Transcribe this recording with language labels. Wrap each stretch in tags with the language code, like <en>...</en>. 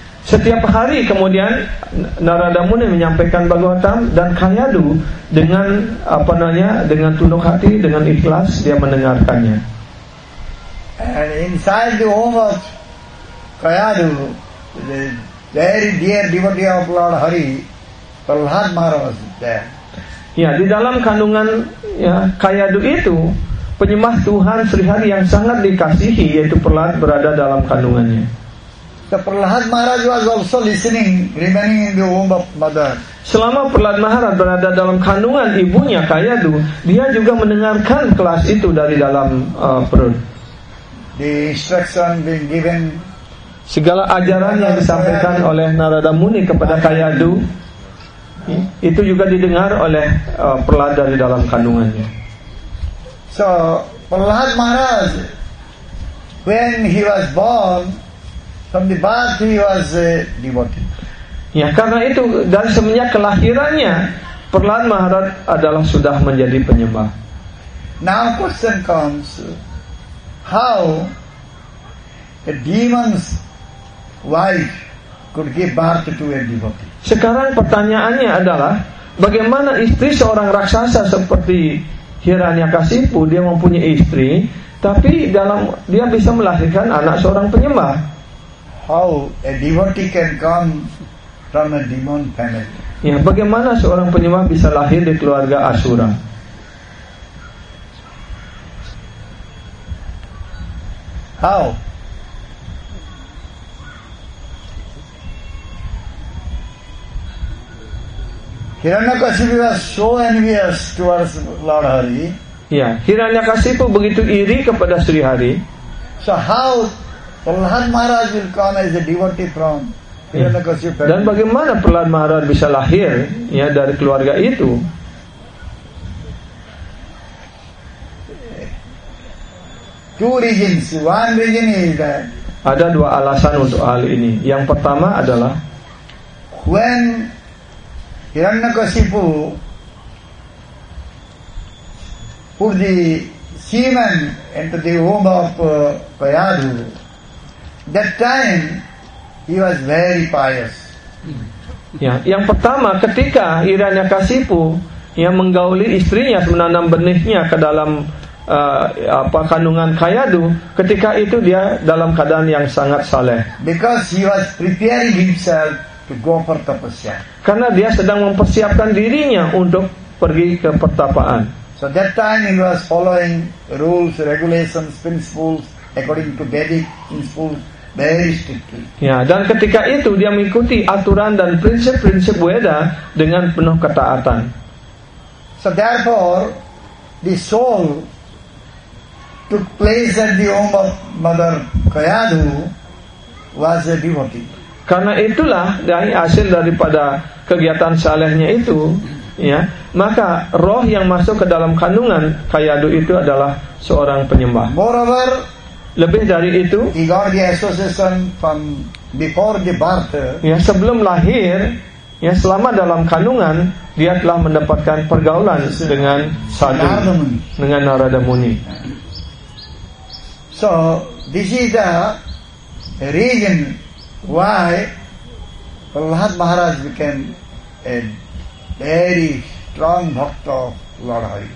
<id>Setiap hari kemudian Narada Muni menyampaikan Bhagavatam dan Kayadu dengan apa namanya, dengan tunduk hati, dengan ikhlas dia mendengarkannya.</id> <en>And inside the home of Kayadu, the very dear devotee of Lord Hari, Prahlad Maharaj was there.</en> <id>Ya, di dalam kandungan ya, Kayadu itu, penyembah Tuhan Sri Hari yang sangat dikasihi, yaitu Prahlad, berada dalam kandungannya.</id> <en>The Prahlad Maharaj was also listening, remaining in the womb of mother.</en> <id>Selama Prahlad Maharaj berada dalam kandungan ibunya Kayadu, dia juga mendengarkan kelas itu dari dalam perut.</id> <en>The instruction being given.</en> <id>Segala ajaran yang disampaikan oleh Narada Muni kepada Kayadu itu juga didengar oleh Prahlad dari dalam kandungannya.</id> <en>So Prahlad Maharaj, when he was born, from the birth he was a devotee.</en> <id>Ya, karena itu dan semenjak kelahirannya Prahlad Maharaj adalah sudah menjadi penyembah.</id> <en>Now question comes, how a demon's wife could give birth to a devotee?</en> <id>Sekarang pertanyaannya adalah, bagaimana istri seorang raksasa seperti Hiranyakasipu, dia mempunyai istri, tapi dalam dia bisa melahirkan anak seorang penyembah?</id> <en>How a devotee can come from a demon family?</en> <id>Ya, bagaimana seorang penyembah bisa lahir di keluarga asura?</id> <en>How? Hiranyakasipu was so envious towards Lord Hari.</en> <id>Ya, Hiranyakasipu begitu iri kepada Sri Hari.</id> <en>So how Prahlad Maharaj will come as a devotee from Hiranyakasipu family?</en> <id>Dan bagaimana Prahlad Maharaj bisa lahir ya dari keluarga itu?</id> <en>Two reasons. One reason is that</en> <id>ada dua alasan untuk hal ini. Yang pertama adalah</id> <en>when Hiranyakasipu put the semen into the womb of Kayadu, that time He was very pious.</en> <id>Yang pertama, ketika Hiranyakasipu yang menggauli istrinya, menanam benihnya ke dalam kandungan Kayadu, ketika itu dia dalam keadaan yang sangat saleh.</id> <en>Because he was preparing himself to go for tapasya.</en> <id>Karena dia sedang mempersiapkan dirinya untuk pergi ke pertapaan.</id> <en>So that time he was following rules, regulations, principles according to Vedic principles very strictly.</en> <id>Ya, dan ketika itu dia mengikuti aturan dan prinsip-prinsip Weda dengan penuh ketaatan.</id> <en>So therefore, the soul took place at the home of Mother Kayadu was a devotee.</en> <id>Karena itulah dari hasil daripada kegiatan salehnya itu, ya, maka roh yang masuk ke dalam kandungan Kayadu itu adalah seorang penyembah.</id> <en>Moreover,</en> <id>lebih dari itu,</id> <en>he got the association from before the birth.</en> <id>Ya, sebelum lahir, ya, selama dalam kandungan, dia telah mendapatkan pergaulan dengan sadhu, dengan Narada Muni.</id> <en>So this is the reason why Prahlad Maharaj became a very strong bhakta of Lord Hari.</en>